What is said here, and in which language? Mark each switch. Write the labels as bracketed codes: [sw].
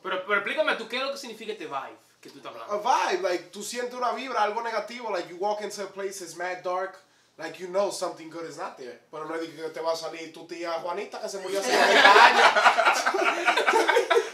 [es] Pero explícame, ¿tú qué es lo que significa este vibe que tú estás hablando? [en] A vibe, like, [es] tú sientes una vibra, algo negativo, [en] like, you walk into a place, it's mad dark, like, you know something good is not there. [es] Pero no es que te va a salir tu tía Juanita, que se murió hace 30 años.